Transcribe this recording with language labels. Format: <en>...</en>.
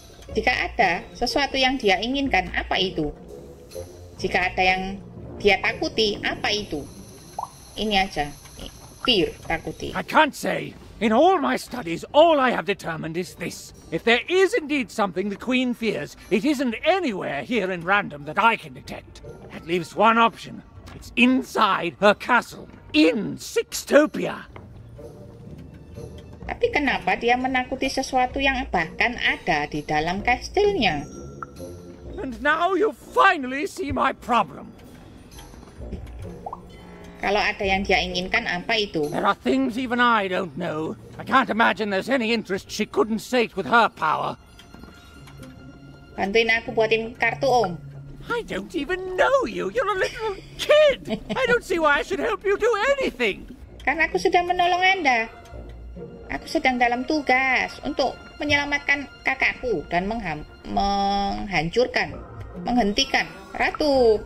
<id>Jika ada sesuatu yang dia inginkan, apa itu? Jika ada yang dia takuti, apa itu? Ini aja. Fear, takuti.</id> <en>I can't say. In all my studies, all I have determined is this. If there is indeed something the Queen fears, it isn't anywhere here in Random that I can detect. That leaves one option. giants inside her castle in Sixtopia.</en> <id>Tapi kenapa dia menakuti sesuatu yang bahkan ada di dalam kastilnya?</id> <en>And now you finally see my problem.</en> <id>Kalau ada yang dia inginkan, apa itu?</id> <en>There are things even I don't know. I can't imagine there's any interest she couldn't sate with her power.</en> <id>Bantuin aku buatin kartu, Om.</id> <en>I don't even know you. You're a little kid. I don't see why I should help you do anything.</en> <id>Karena aku sedang menolong Anda. Aku sedang dalam tugas untuk menyelamatkan kakakku dan menghentikan ratu.</id>